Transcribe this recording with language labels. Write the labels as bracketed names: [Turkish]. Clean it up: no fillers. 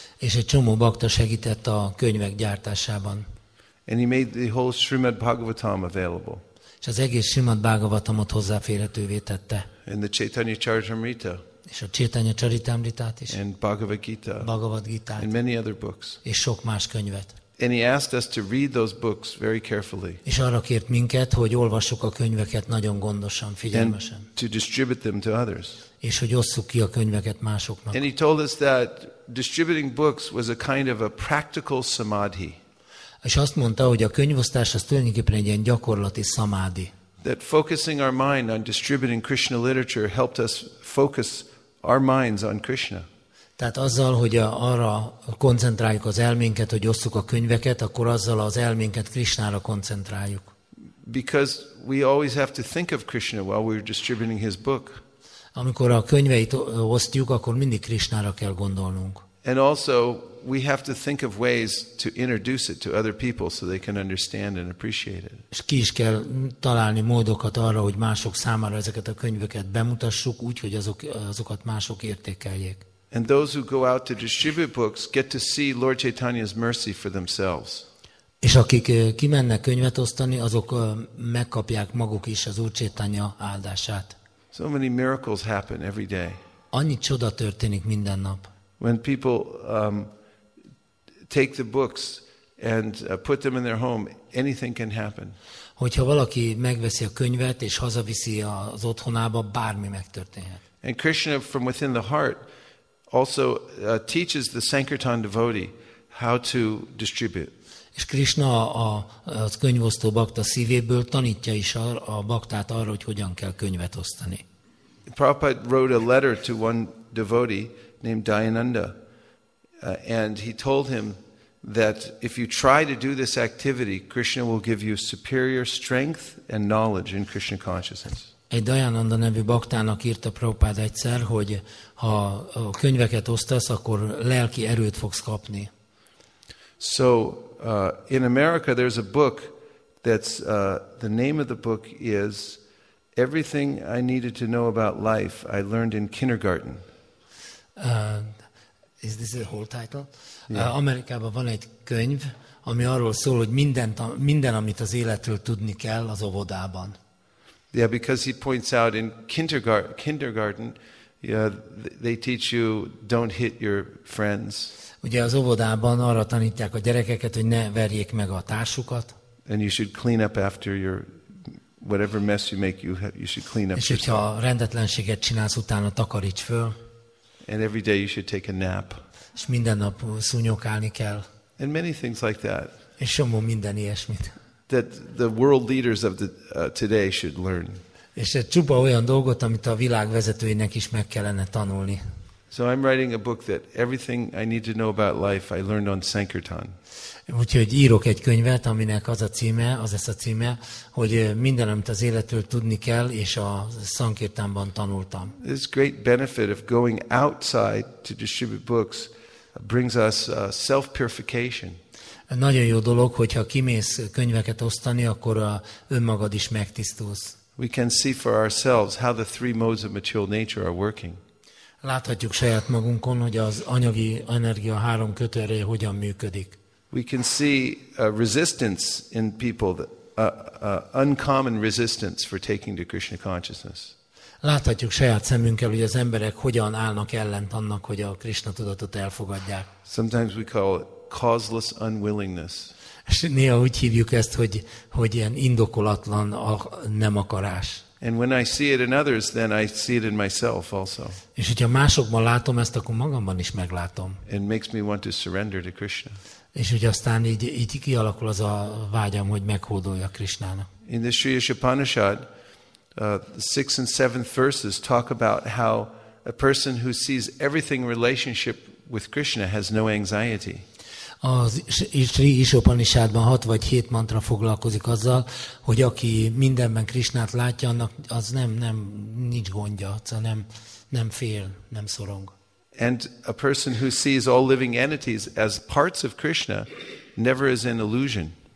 [Hungarian] És egy csomó bakta segített a könyvek gyártásában. [English] And he made the whole Srimad Bhagavatam available. [Hungarian] És az egész Srimad Bhagavatamot hozzáférhetővé tette. [English] And the Chaitanya Charitamrita. [Hungarian] És a Chaitanya Charitamritát is. [English] And Bhagavad Gita. [Hungarian] Bhagavad Gitát. [English] And many other books. [Hungarian] És sok más könyvet. [English] And he asked us to read those books very carefully. [Hungarian] És arra kért minket, hogy olvassuk a könyveket nagyon gondosan, figyelmesen. [English] And to distribute them to others. [Hungarian] És hogy osszuk ki a könyveket másoknak. [English] And he told us that distributing books was a kind of a practical samadhi. [Hungarian] És azt mondta, hogy a könyvosztás az tulajdonképpen egy ilyen gyakorlati szamádi. [English] That focusing our mind on distributing Krishna literature helped us focus our minds on Krishna. [Hungarian] Tehát azzal, hogy arra koncentráljuk az elménket, hogy osszuk a könyveket, akkor azzal az elménket Krishnára koncentráljuk. [English] Because we always have to think of Krishna while we're distributing his book. [Hungarian] Amikor a könyveit osztjuk, akkor mindig Krishnára kell gondolnunk. [English] And also we have to think of ways to introduce it to other people so they can understand and appreciate it. [Hungarian] És ki is kell találni módokat arra, hogy mások számára ezeket a könyveket bemutassuk, úgy, hogy azokat mások értékeljék. [English] And those who go out to distribute books get to see Lord Chaitanya's mercy for themselves. [Hungarian] És akik kimennek könyvet osztani, azok megkapják maguk is az Úr Chaitanya áldását. [English] So many miracles happen every day. [Hungarian] Annyi csoda történik minden nap. [English] When people take the books and put them in their home, anything can happen. [Hungarian] Hogyha valaki megveszi a könyvet és hazaviszi az otthonába, bármi megtörténhet. [English] And Krishna from within the heart also teaches the Sankirtan devotee how to distribute. [Hungarian] És Krishna az könyvosztó bakta szívéből tanítja is a baktát arra, hogy hogyan kell könyvet osztani. [English] Prabhupada wrote a letter to one devotee named Dayananda, and he told him that if you try to do this activity, Krishna will give you superior strength and knowledge in Krishna consciousness. [Hungarian] Egy Dayananda nevű baktának írta Prabhupada egyszer, hogy ha a könyveket osztasz, akkor lelki erőt fogsz kapni. [English] So in America there's a book that's the name of the book is Everything I Needed to Know About Life I Learned in Kindergarten. Is this the whole title? Yeah. [Hungarian] Amerikában van egy könyv, ami arról szól, hogy minden amit az életről tudni kell az óvodában. [English] Yeah, because he points out in kindergarten, yeah, they teach you don't hit your friends. [Hungarian] Ugye az óvodában arra tanítják a gyerekeket, hogy ne verjék meg a társukat. [English] And you should clean up after your whatever mess you make, you should clean up. [Hungarian] És hogyha rendetlenséget csinálsz, utána takaríts föl. [English] And every day you should take a nap. [Hungarian] És minden nap szúnyogálni kell. [English] And many things like that. [Hungarian] És csomó minden ilyesmit. [English] That the world leaders of the today should learn. [Hungarian] És egy csupa olyan dolgot, amit a világ vezetőinek is meg kellene tanulni. [English] So I'm writing a book that everything I need to know about life I learned on Sankirtan. [Hungarian] Úgyhogy írok egy könyvet, aminek az a címe, az lesz a címe, hogy minden, amit az életről tudni kell, és a Sankirtanban tanultam. [English] This great benefit of going outside to distribute books brings us self-purification. [Hungarian] Nagyon jó dolog, hogyha kimész könyveket osztani, akkor önmagad is megtisztulsz. [English] We can see for ourselves how the three modes of material nature are working. [Hungarian] Láthatjuk saját magunkon, hogy az anyagi energia három kötőereje hogyan működik. [English] We can see a resistance in people, a uncommon resistance for taking to Krishna consciousness. [Hungarian] Láthatjuk saját szemünkkel, hogy az emberek hogyan állnak ellent annak, hogy a Krishna tudatot elfogadják. [English] Sometimes we call it causeless unwillingness. [Hungarian] És néha úgy hívjuk ezt, hogy ilyen indokolatlan a nem akarás. [English] And when I see it in others, then I see it in myself also. [Hungarian] És hogyha másokban látom ezt, akkor magamban is meglátom. [English] It makes me want to surrender to Krishna. [Hungarian] És ugye aztán így kialakul az a vágyam, hogy meghódoljak Krishnának. [English] In the Sri Upanishad, the 6th and 7th verses talk about how a person who sees everything relationship with Krishna has no anxiety. [Hungarian] A Sri Upanishadban 6 vagy 7 mantra foglalkozik azzal, hogy aki mindenben Krishnát látja, annak az nem nincs gondja, nem fél, nem szorong. [English] And a person who sees all living entities as parts of Krishna never is in illusion.